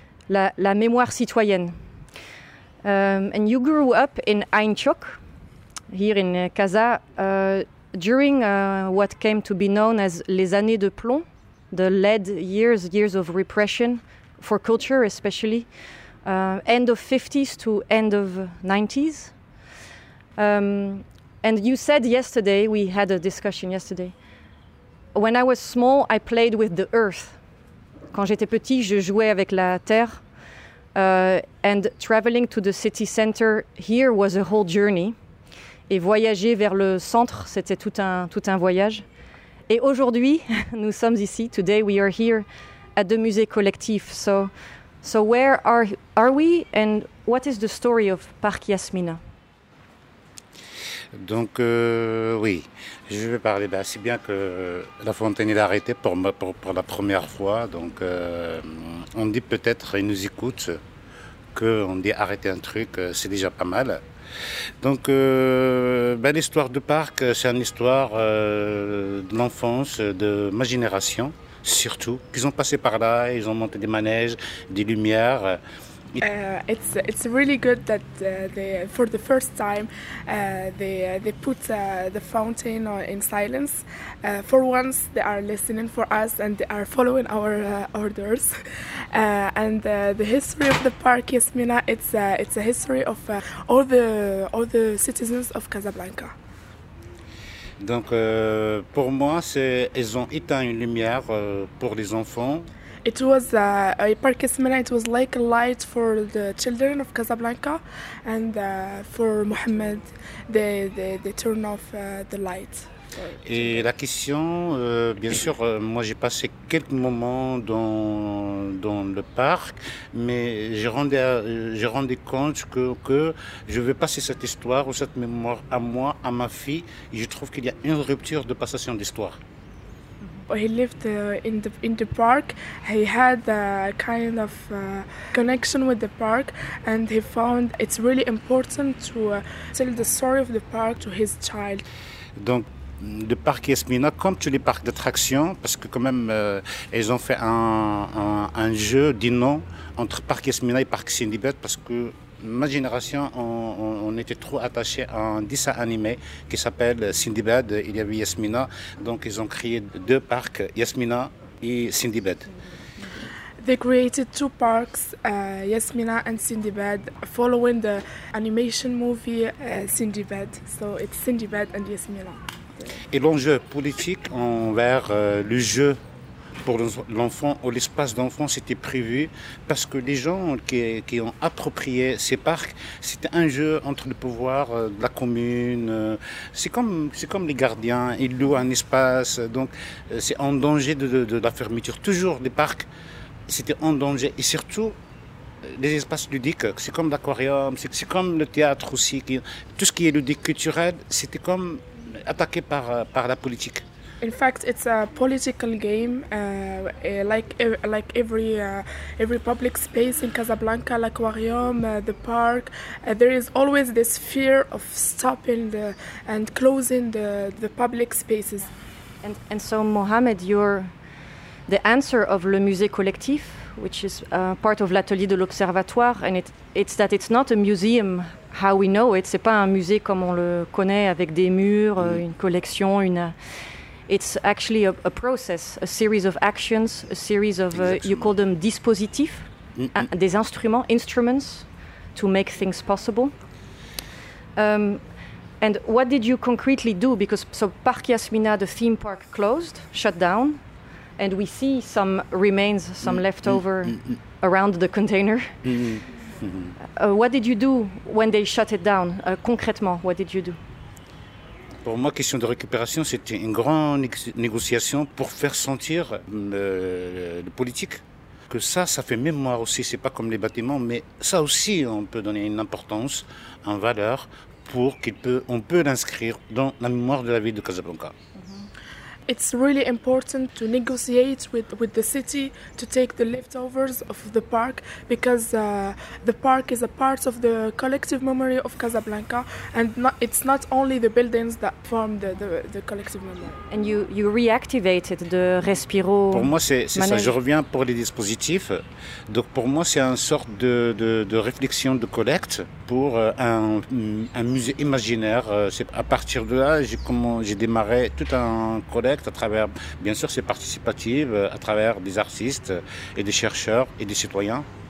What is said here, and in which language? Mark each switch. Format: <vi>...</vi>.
<fr>La mémoire citoyenne.</fr> <en>And you grew up in Eintjok, here in Casa, during what came to be known as</en> <fr>les années de plomb,</fr> <en>the lead years of repression for culture, especially end of 50s to end of 90s. And you said yesterday, we had a discussion yesterday, when I was small, I played with the earth.</en> <fr>Quand j'étais petit, je jouais avec la terre.</fr> <en>And traveling to the city center here was a whole journey.</en> <fr>Et voyager vers le centre, c'était tout un voyage. Et aujourd'hui, nous sommes ici,</fr> <en>today we are here at the Musée Collectif. So where are we and what is the story of Parc Yasmina?</en> <fr>Donc oui, je vais parler bah, si bien que la fontaine est arrêtée pour la première fois. Donc on dit peut-être, ils nous écoutent, qu'on dit arrêter un truc, c'est déjà pas mal. Donc bah, l'histoire du parc, c'est une histoire de l'enfance, de ma génération surtout. Ils ont passé par là, ils ont monté des manèges, des lumières.</fr> <en>It's really good that they for the first time they put the fountain in silence. For once, they are listening for us and they are following our orders. And the history of the park Yasmina, it's a history of all the citizens of Casablanca.</en> <fr>Donc pour moi, c'est ils ont éteint une lumière pour les enfants.</fr> <en>It was a Parc Yasmina. It was like a light for the children of Casablanca, and for Mohamed, they turn off the light.</en> <fr>Et la question, bien sûr, moi j'ai passé quelques moments dans le parc, mais j'ai rendu compte que je vais passer cette histoire ou cette mémoire à moi, à ma fille. Et je trouve qu'il y a une rupture de passation d'histoire.</fr> <en>He lived in the park. He had a kind of connection with the park, and he found it's really important to tell the story of the park to his child.</en> <fr>Donc, le parc Yasmina, comme tous les parcs d'attractions, parce que quand même, ils ont fait un jeu d'innom entre parc Yasmina et parc Sindibet, parce que ma génération, on était trop attachés à un dessin animé qui s'appelle Sindibad, il y avait Yasmina. Donc ils ont créé deux parcs, Yasmina et Sindibad.</fr> <en>They created two parks, Yasmina and Sindibad, following the animation movie Sindibad. So it's Sindibad and Yasmina.</en> <fr>Et l'enjeu politique envers le jeu pour l'enfant ou l'espace d'enfant, c'était prévu parce que les gens qui ont approprié ces parcs, c'était un jeu entre le pouvoir de la commune. C'est comme les gardiens, ils louent un espace, donc c'est en danger de la fermeture. Toujours les parcs, c'était en danger. Et surtout, les espaces ludiques, c'est comme l'aquarium, c'est comme le théâtre aussi. Tout ce qui est ludique, culturel, c'était comme attaqué par la politique.</fr> <en>In fact, it's a political game, like every public space in Casablanca, l'aquarium, the park. There is always this fear of stopping and closing the public spaces. And so, Mohamed, you're the answer of Le Musée Collectif, which is part of l'Atelier de l'Observatoire, and it's that it's not a museum how we know it.</en> <fr>C'est pas un musée comme on le connaît avec des murs, une collection, une.</fr> <en>It's actually a process, a series of actions, a series of, you call them dispositifs, des instruments to make things possible. And what did you concretely do? Because so Parc Yasmina, the theme park closed, shut down, and we see some remains, some leftover around the container. What did you do when they shut it down? Concrètement, what did you do?</en> <fr>Pour moi, question de récupération, c'était une grande négociation pour faire sentir le politique. Que ça fait mémoire aussi, c'est pas comme les bâtiments, mais ça aussi, on peut donner une importance, une valeur, pour qu'on peut l'inscrire dans la mémoire de la ville de Casablanca.</fr> <en>It's really important to negotiate with the city to take the leftovers of the park because the park is a part of the collective memory of Casablanca and it's not only the buildings that form the collective memory. And you reactivated the Respiro.</en> <fr>Pour moi, c'est ça. Je reviens pour les dispositifs. Donc pour moi, c'est une sorte de réflexion de collecte pour un musée imaginaire. C'est à partir de là, j'ai démarré tout un collectif. À travers, bien sûr, c'est participatif, à travers des artistes et des chercheurs et des citoyens.</fr>